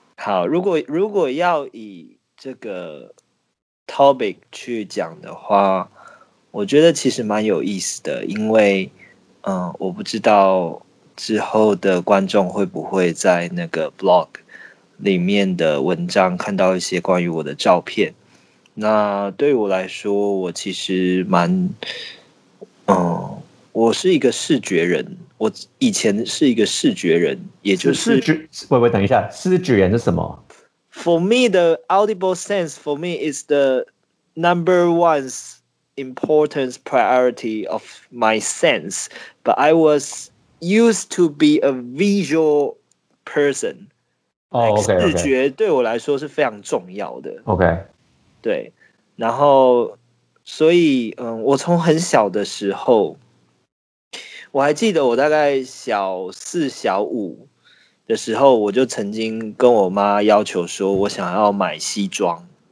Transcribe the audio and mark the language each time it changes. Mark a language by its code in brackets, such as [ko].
[zh] 好，如果要以这个 topic 去讲的话，我觉得其实蛮有意思的，因为我不知道之后的观众会不会在那个 blog 里面的文章看到一些关于我的照片。那对我来说，我其实蛮我是一个视觉人，我以前是一个视觉人，也就是喂等一下，视觉人是什么？ [en] For me, the audible sense for me is the number one importance priority of my sense, but I was used to be a visual person. Okay, [zh] 视觉对我来说是非常重要的。 OK。对，然后所以我从很小的时候，我还记得我大概小四小五的时候，我就曾经跟我妈要求说我想要买西装。